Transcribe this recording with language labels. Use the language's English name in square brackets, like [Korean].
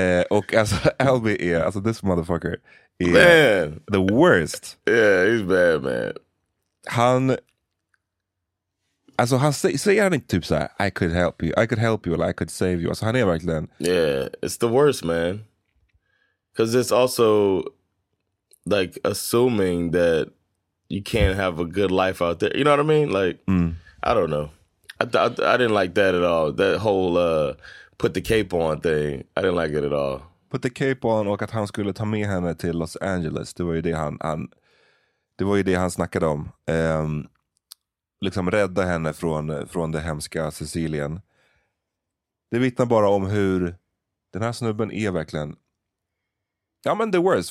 [Swedish] Och alltså Albie är, alltså [English] this motherfucker is man. The worst. Yeah, he's bad man. [Swedish] Han, alltså han säger han inte typ så här, [English] I could help you, like, I could save you. [Swedish] Alltså han är verkligen, [English] yeah, it's the worst man. Cause it's also like assuming that you can't have a good life out there. You know what I mean? Like, I don't know. I didn't like that at all. That whole put the cape on thing, I didn't like it at all. Put the cape on [Swedish] och att han skulle ta med henne till Los Angeles. Det var ju det han snackade om. Liksom rädda henne från det hemska Sicilien. Det vittnar bara om hur den här snubben är verkligen. Ja, men [English] the worst.